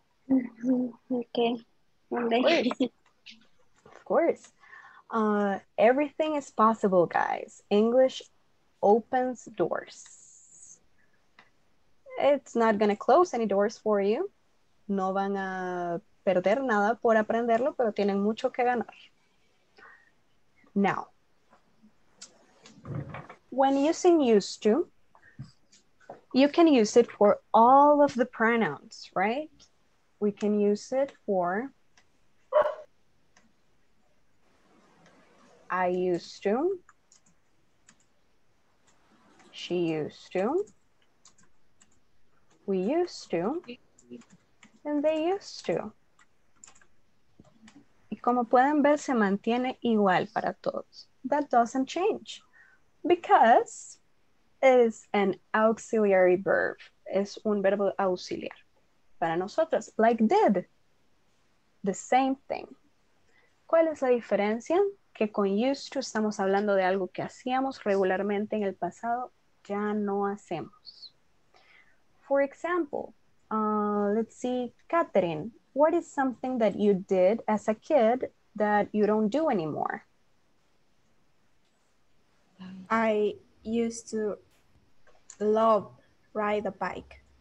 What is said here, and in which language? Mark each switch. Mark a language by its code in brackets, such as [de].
[en] Okay. Of course. Everything is possible, guys. English opens doors. It's not going to close any doors for you. [es] No van a perder nada por aprenderlo, pero tienen mucho que ganar. [en] Now, when using used to, you can use it for all of the pronouns, right? We can use it for I used to, she used to, we used to, and they used to. [es] Y como pueden ver, se mantiene igual para todos. [en] That doesn't change because it is an auxiliary verb. [es] es un verbo auxiliar para nosotros. [en] Like did, the same thing. [es] ¿Cuál es la diferencia? Que con used to estamos hablando de algo que hacíamos regularmente en el pasado, ya no hacemos. [en] For example, let's see, Catherine, what is something that you did as a kid that you don't do anymore? I used to love ride a bike.